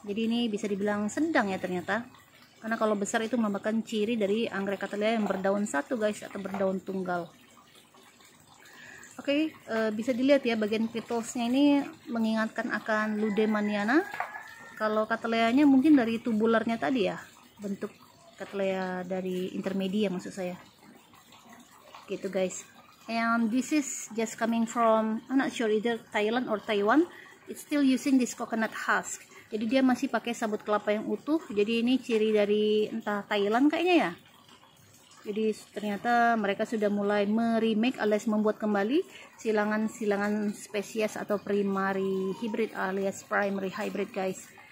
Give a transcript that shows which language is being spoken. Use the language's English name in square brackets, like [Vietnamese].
[Indonesian] Jadi ini bisa dibilang sedang ya ternyata. Karena kalau besar itu merupakan ciri dari anggrek Cattleya yang berdaun satu guys atau berdaun tunggal. Oke, bisa dilihat ya bagian petalsnya ini mengingatkan akan Ludemaniana. Kalau Cattleya-nya mungkin dari tubularnya tadi ya, bentuk Cattleya dari intermedia maksud saya. Gitu guys. [English] And this is just coming from, I'm not sure either Thailand or Taiwan. It's still using this coconut husk. [Indonesian] Jadi dia masih pakai sabut kelapa yang utuh. Jadi ini ciri dari entah Thailand kayaknya ya. Jadi ternyata mereka sudah mulai meremake alias membuat kembali silangan-silangan spesies atau primary hybrid alias primary hybrid, guys.